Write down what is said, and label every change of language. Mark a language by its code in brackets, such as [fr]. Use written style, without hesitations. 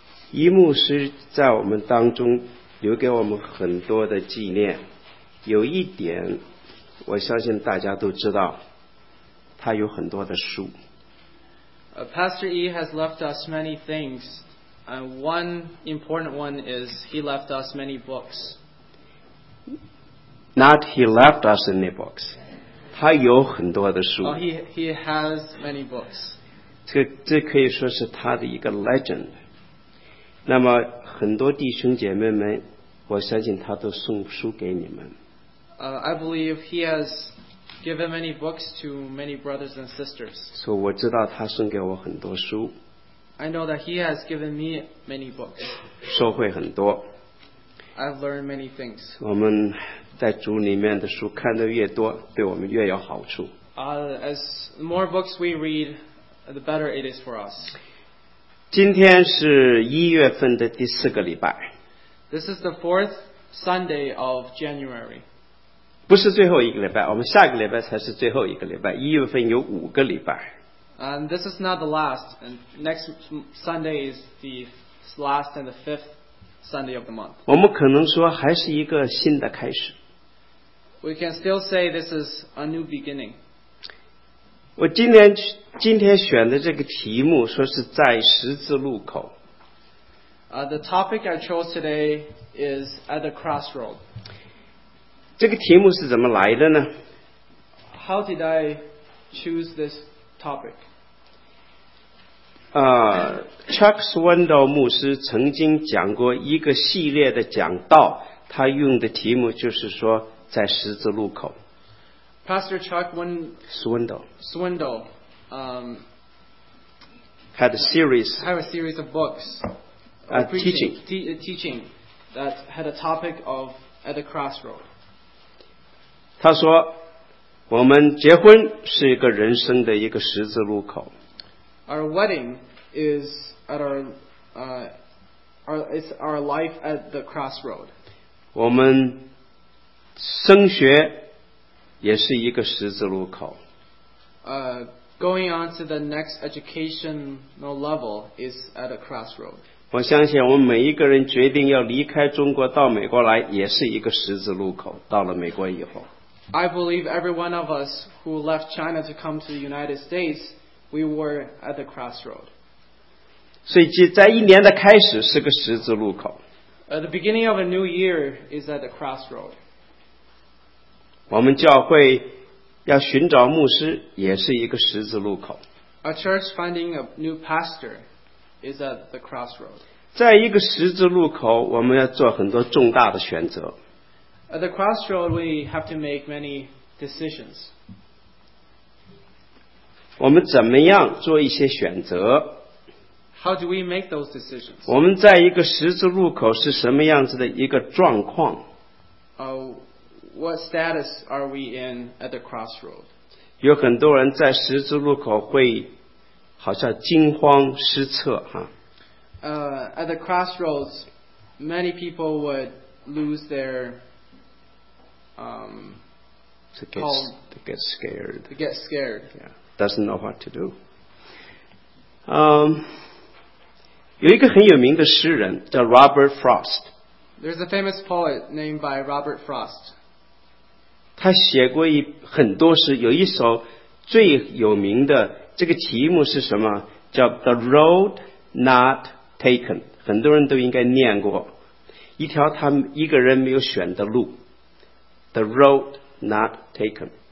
[zh] 一牧师在我们当中留给我们很多的纪念，有一点我相信大家都知道，他有很多的书。 [en] Pastor E has left us many things. And one important one is he left us many books. Not he left us any books. [zh] 他有很多的书。 [en] He has many books. [zh] 这可以说是他的一个 legend. 那么很多弟兄姐妹们，我相信他都送书给你们。 [en] I believe he has given many books to many brothers and sisters. [zh] So 我知道他送给我很多书。 [en] I know that he has given me many books. [zh] 收获很多。 [en] I've learned many things. [zh] 我们在主里面的书看得越多，对我们越有好处。 [en] As more books we read, the better it is for us. [zh] 今天是一月份的第四个礼拜。 [en] This is the fourth Sunday of January. [zh] 不是最后一个礼拜，我们下个礼拜才是最后一个礼拜。一月份有五个礼拜。 [en] And this is not the last. And next Sunday is the last and the fifth Sunday of the month. [zh] 我们可能说还是一个新的开始。 [en] We can still say this is a new beginning. [zh] 我今天选的这个题目说是在十字路口。 [en] The topic I chose today is at the crossroad. [zh] 这个题目是怎么来的呢？ [en] How did I choose this topic? [zh] Chuck Swindoll 牧师曾经讲过一个系列的讲道，他用的题目就是说在十字路口。 [en] Pastor Chuck Swindoll had a series of books teaching that had a topic of at the crossroad. [zh] 他说我们结婚是一个人生的一个十字路口。 [en] Our wedding is at it's our life at the crossroad. [zh] 我们升学也是一个十字路口。 [en] Going on to the next educational level is at a crossroad. [zh] 我相信我们每一个人决定要离开中国到美国来也是一个十字路口，到了美国以后。 [en] I believe every one of us who left China to come to the United States, we were at the crossroad. [zh] 所以在一年的开始是个十字路口。 [en] The beginning of a new year is at the crossroad. [zh] 我们教会要寻找牧师也是一个十字路口。 [en] A church finding a new pastor is at the crossroad. [zh] 在一个十字路口，我们要做很多重大的选择。 [en] At the crossroad, we have to make many decisions. [zh] 我们怎么样做一些选择？ [en] How do we make those decisions? [zh] 我们在一个十字路口是什么样子的一个状况？ [en] What status are we in at the crossroad? [zh] 有很多人在十字路口会好像惊慌失措哈。 [en] At the crossroads, many people would lose their To get scared. Yeah, doesn't know what to do. [zh] 有一个很有名的诗人叫 Robert Frost. [en] There's a famous poet named by Robert Frost. [zh] 他写过很多诗，有一首最有名的，这个题目是什么？ [en] 叫 The Road Not Taken. [zh] 很多人都应该念过，一条他一个人没有选的路。 [en] The road not taken.